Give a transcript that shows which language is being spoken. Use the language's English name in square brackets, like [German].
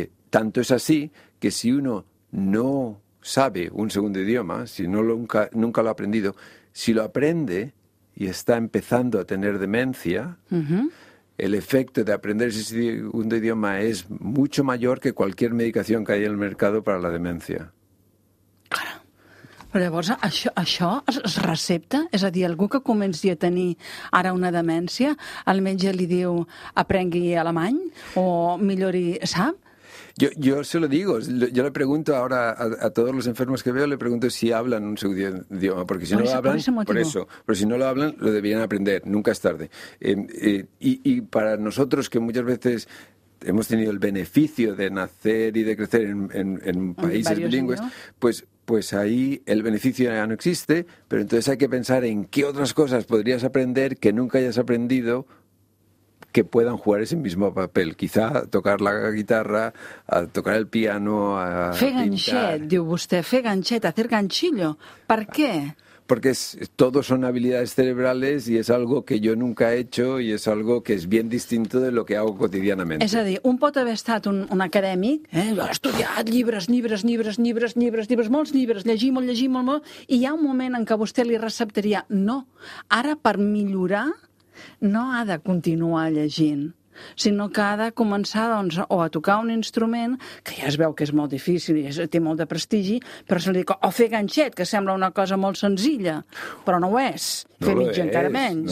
[Spanish] Tanto es así que si uno no sabe un segundo idioma, si no nunca lo ha aprendido, si lo aprende y está empezando a tener demencia, el efecto de aprender ese segundo idioma es mucho mayor que cualquier medicación que haya en el mercado para la demencia. [Catalan] Però llavors, això es recepta? És a dir, algú que comenci a tenir ara una demència, al metge li diu, aprengui alemany o millori, sap? [Spanish] Yo se lo digo, yo le pregunto ahora a todos los enfermos que veo, le pregunto si hablan un segundo idioma, porque si no lo hablan, por eso, pero si no lo hablan, lo deberían aprender, nunca es tarde. Y para nosotros que muchas veces hemos tenido el beneficio de nacer y de crecer en países bilingües, pues ahí el beneficio ya no existe, pero entonces hay que pensar en qué otras cosas podrías aprender que nunca hayas aprendido, que puedan jugar ese mismo papel. Quizá tocar la guitarra, a tocar el piano, a [Catalan] fer ganxet, diu vostè, fer ganxet, [Spanish] hacer ganchillo. [Catalan] ¿Per qué? [Spanish] Porque todos son habilidades cerebrales y es algo que yo nunca he hecho y es algo que es bien distinto de lo que hago cotidianamente. [Catalan] És a dir, un pot haver estat un acadèmic, ha estudiat llibres, molts llibres, llegir molt, i hi ha un moment en què vostè li receptaria, no, ara per millorar, no ha de continuar llegint, sinó que ha de començar doncs, o a tocar un instrument, que ja es veu que és molt difícil i té molt de prestigi, però se li dic, o fer ganxet, que sembla una cosa molt senzilla, però no ho és, fer mitja encara menys.